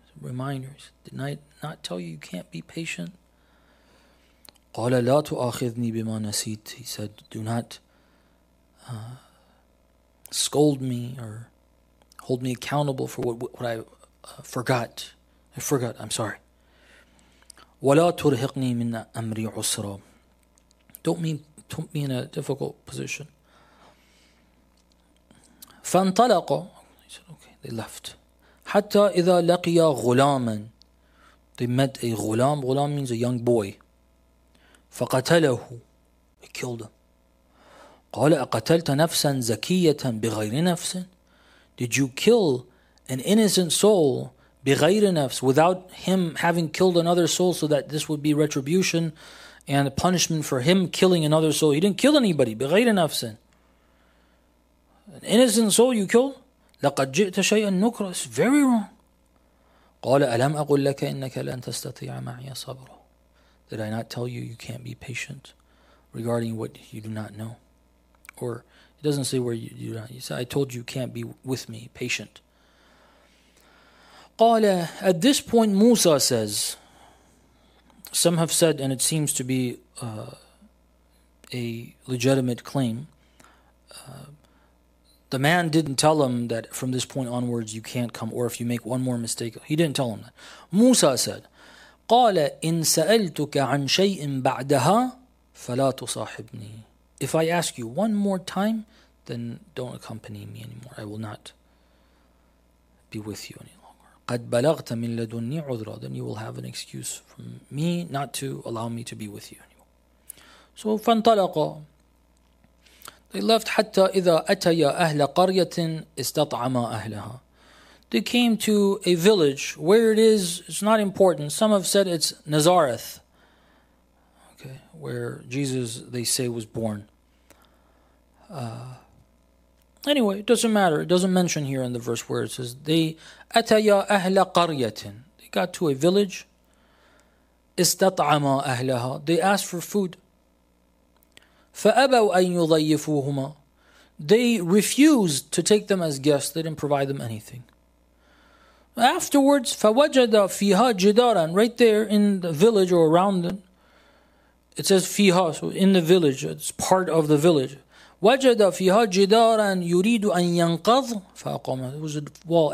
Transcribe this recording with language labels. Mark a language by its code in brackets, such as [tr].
[en] Reminders, did I not tell you can't be patient? [ar] قَالَ لَا تُؤَخِذْنِي بِمَا نَسِيتْ, [en] he said, do not scold me or hold me accountable for what I forgot. I forgot, I'm sorry. [ar] وَلَا تُرْهِقْنِي مِنْ أَمْرِي عُسْرًا, [en] Don't put me in a difficult position. [ar] فانطلقوا, [en] he said, okay, they left. [ar] حتى إذا لقيا غلاما, [en] they met a [ar] غلام. [en] غلام means a young boy. [ar] فقتله, [en] he killed him. [ar] قال أقتلت نفسا زكية بغير نفس, [en] did you kill an innocent soul [ar] بغير نفس, [en] without him having killed another soul, so that this would be retribution and a punishment for him killing another soul? He didn't kill anybody. [ar] بغير نفس, [en] an innocent soul you killed. [ar] لقد جئت شيئا نكرا, [en] it's very wrong. [ar] قال ألم أقول لك إنك لن تستطيع معي صبرا, [en] did I not tell you you can't be patient regarding what you do not know? Or it doesn't say where you do not. You say, I told you can't be with me patient. قال, at this point Musa says, some have said, and it seems to be a legitimate claim, the man didn't tell him that from this point onwards you can't come, or if you make one more mistake, he didn't tell him that. Musa said, [ar] قَالَ إِن سَأَلْتُكَ عَن شَيْءٍ بَعْدَهَا فَلَا تُصَاحِبْنِي, [en] if I ask you one more time, then don't accompany me anymore. I will not be with you anymore. [ar] قَدْ بَلَغْتَ مِنْ لَدُنِّي عُذْرًا, [en] then you will have an excuse from me not to allow me to be with you anymore. So [ar] فَانْطَلَقَ, [en] they left. [ar] حَتَّى إِذَا أَتَيَا أَهْلَ قَرْيَةٍ إِسْتَطْعَمَا أَهْلَهَا, [en] they came to a village. Where it is, it's not important. Some have said it's Nazareth, okay, where Jesus, they say, was born. Anyway, it doesn't matter. It doesn't mention here in the verse where it says they [ar] أَتَيَا أَهْلَ قَرْيَةٍ, [en] they got to a village. [ar] إِسْتَطْعَمَا أَهْلَهَا, [en] they asked for food. [ar] فَأَبَوْا أَن يُضَيِّفُوهُمَا, [en] They refused to take them as guests. They didn't provide them anything. Afterwards, [ar] فَوَجَدَ فِيهَا جِدَارًا, [en] right there in the village or around them. It says فِيهَا, so in the village, it's part of the village. [ar] وَجَدَ فِيهَا جِدَارًا يُرِيدُ أَن يَنْقَضُ فَأَقَمَ. [en] It was a wall.